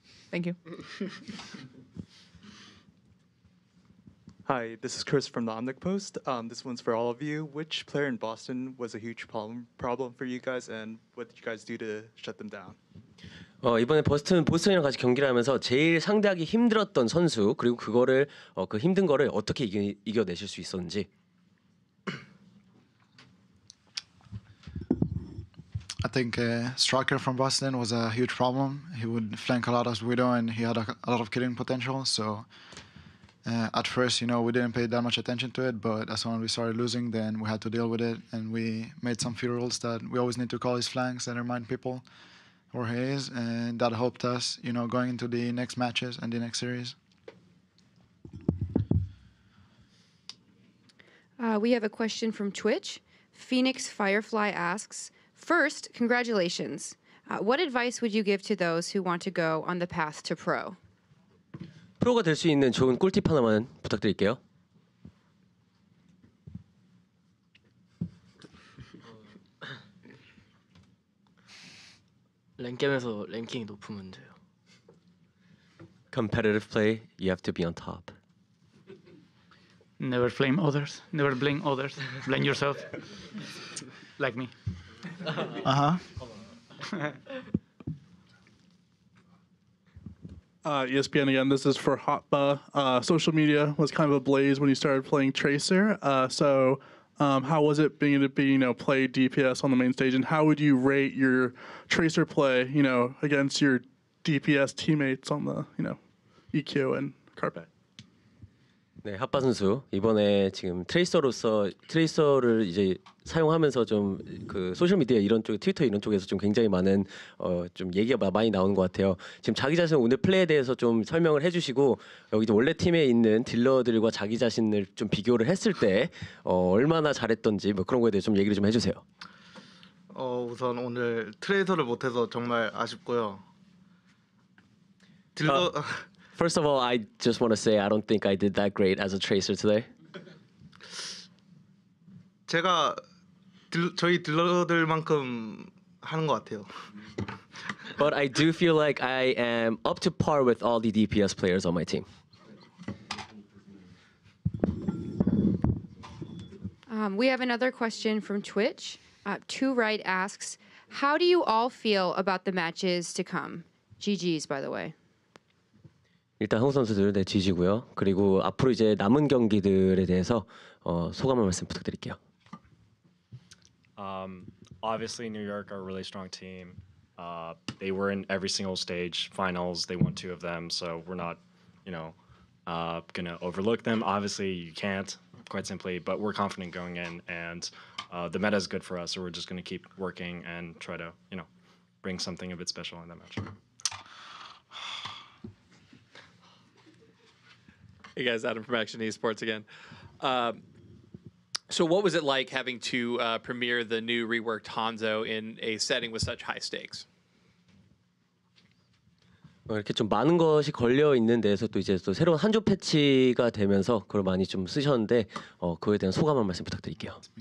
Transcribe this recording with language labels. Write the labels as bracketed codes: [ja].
[en] Thank you. Hi, this is Chris from the Omnic Post. This one's for all of you. Which player in Boston was a huge problem for you guys, and what did you guys do to shut them down? [ko] 이번에 보스턴이랑 같이 경기를 하면서 제일 상대하기 힘들었던 선수 그리고 그거를 그 힘든 거를 어떻게 이겨내실 수 있었는지. [en] I think a striker from Boston was a huge problem. He would flank a lot as Widow, and he had a lot of killing potential. So at first, you know, we didn't pay that much attention to it, but as soon as we started losing, then we had to deal with it, and we made some few rules that we always need to call his flanks and remind people where he is, and that helped us, you know, going into the next matches and the next series. We have a question from Twitch. Phoenix Firefly asks, first, congratulations. What advice would you give to those who want to go on the path to pro? [ko] 프로가 될 수 있는 좋은 꿀팁 하나만 부탁드릴게요. 랭겜에서 랭킹이 높으면 돼요. [en] Competitive play, you have to be on top. Never blame others. Never blame others. Blame yourself. Like me. Uh-huh. ESPN again, this is for Hotba. Social media was kind of ablaze when you started playing Tracer. How was it being to be, you know, play DPS on the main stage, and how would you rate your Tracer play, you know, against your DPS teammates on the, you know, EQ and Carpe? [ko] 네, 핫바 선수. 이번에 지금 트레이서로서 트레이서를 이제 사용하면서 좀 그 소셜 미디어 이런 쪽 트위터 이런 쪽에서 좀 굉장히 많은 좀 얘기가 많이 나오는 것 같아요. 지금 자기 자신 오늘 플레이에 대해서 좀 설명을 해 주시고 여기 원래 팀에 있는 딜러들과 자기 자신을 좀 비교를 했을 때 얼마나 잘했던지 뭐 그런 거에 대해서 좀 얘기를 좀 해 주세요. 우선 오늘 트레이서를 못 해서 정말 아쉽고요. 딜러 [en] First of all, I just want to say I don't think I did that great as a tracer today. [ko] 제가 저희 딜러들만큼 하는 것 같아요. [en] But I do feel like I am up to par with all the DPS players on my team. We have another question from Twitch. Two Right asks, how do you all feel about the matches to come? GGs, by the way. [ko] 일단 홍 선수들 네, 지지고요. 그리고 앞으로 이제 남은 경기들에 대해서 소감을 말씀 부탁드릴게요. [en] Obviously New York are a really strong team. They were in every single stage finals. They won 2 of them, so we're not, you know, going to overlook them. Obviously you can't, quite simply, but we're confident going in, and the meta is good for us, so we're just going to keep working and try to, you know, bring something a bit special in that match. Hey guys, Adam from Action Esports again. So what was it like having to premiere the new reworked Hanzo in a setting with such high stakes? [ko] 이렇게 좀 많은 것이 걸려 있는 데서 또 이제 또 새로운 한조 패치가 되면서 그걸 많이 좀 쓰셨는데 그에 대한 소감 한 말씀 부탁드릴게요.